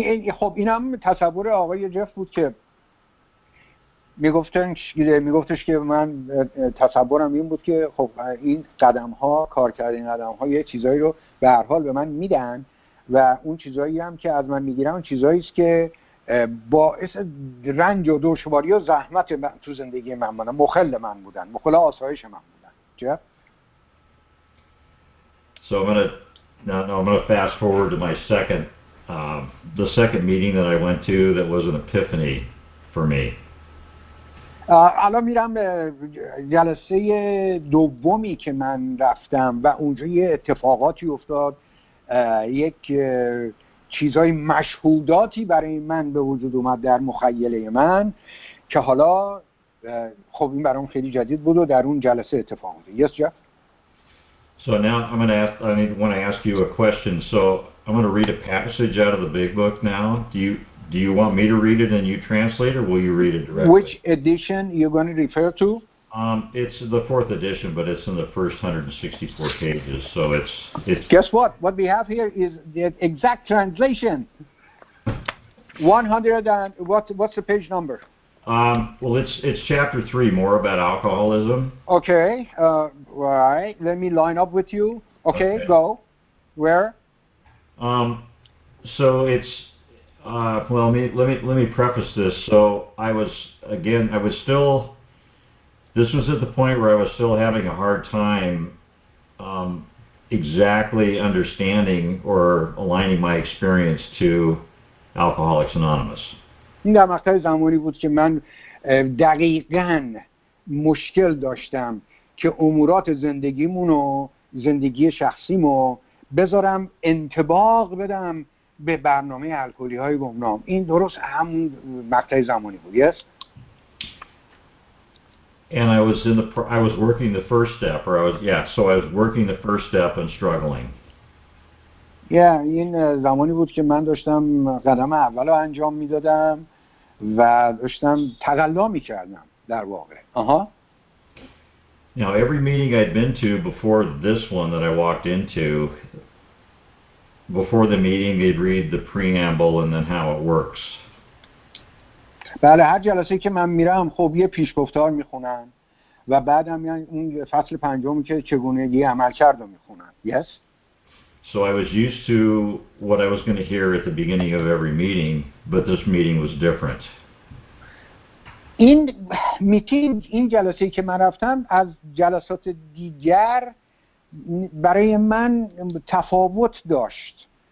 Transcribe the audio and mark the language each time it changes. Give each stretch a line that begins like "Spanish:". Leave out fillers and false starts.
Persian: خب اینم تصور آقای جف بود که میگفتش که من تصورم این بود که خب این قدم‌ها کار کردن قدم‌ها یه چیزایی رو به هر حال به من میدن و اون چیزایی هم که از من میگیرن چیزایی است که باعث رنج و دشواری و زحمت من تو زندگی من بودن، مخل من بودن، مخل آسایش من بودن. جف
English: So I'm gonna fast forward to the second meeting that I went to that was an epiphany for me.
Persian: الان میرم به جلسه دومی که من رفتم و اونجا یه اتفاقاتی افتاد، یک چیزای مشهوداتی برای من به وجود اومد در مخیله من که حالا خب این برام خیلی جدید بود و در اون جلسه اتفاق افتاد.
English: Yes, Jeff. So now I want to ask you a question. So I'm going to read a passage out of the big book now. Do you want me to read it and you translate, or will you read it directly? Which edition are you going to refer to? It's the fourth edition, but it's in the first 164 pages. So it's guess what? What we have here is the exact translation. 100 and what's the page number? Well, it's chapter 3, more about alcoholism. Okay, right. Let me line up with you. Okay, okay. Go. Where? So it's let me preface this. So I was still. This was at the point where I was still having a hard time exactly understanding or aligning my experience to Alcoholics Anonymous.
Persian: این در مقطع زمانی بود که من دقیقاً مشکل داشتم که امورات زندگیمونو، زندگی شخصیمو بذارم انطباق بدم به برنامه الکلی های گمنام. این درست همون مقطع زمانی بود.
English: Yes. And I was working the first step, or I was working the first step and struggling. Yeah,
Persian: این زمانی بود که من داشتم قدم اولو انجام میدادم و داشتم تقلا میکردم در واقع.
English: Now every meeting I'd been to before this one that I walked into, before the meeting they'd read the preamble and then how it works.
Persian: بله، هر جلسه که من میرم خب یه پیش گفتار میخونن و بعد هم اون فصل پنجمی که چگونگی عمل کرد رو میخونن.
English: Yes. So I was used to what I was going to hear at the beginning of every meeting, but this meeting was different.
Persian: این میتینگ، این جلسه‌ای که من رفتم از جلسات دیگر برای من تفاوت داشت.